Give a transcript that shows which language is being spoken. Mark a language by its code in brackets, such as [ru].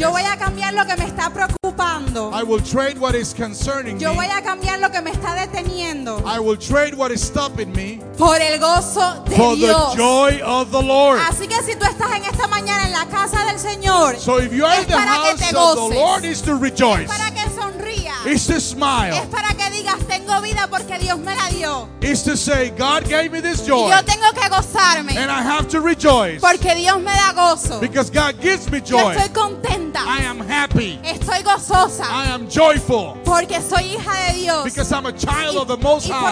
[es] Yo voy a cambiar lo que me está preocupando. [en] I will trade what is concerning me. [es] Yo voy a cambiar lo que me está deteniendo. [en] I will trade what is stopping me. [es] Por el gozo de Dios. [en] For the joy of the Lord. [es] Así que si tú estás en esta mañana en la casa del Señor, [en] so if you are in the house of the Lord, is to rejoice. [es] Es para que sonrías. [en] It's to smile. [es] Es para que digas, tengo vida porque Dios me la dio. [en] It's to say, God gave me this joy. [es] Y yo tengo que gozarme. [en] And I have to rejoice. [es] Porque Dios me da gozo. [en] Because God gives me joy. [es] Yo estoy contenta. [en] I am happy. [es] Estoy gozosa. [en] I am joyful. [es] Porque soy hija de Dios. [en] Because I'm a child of the Most High.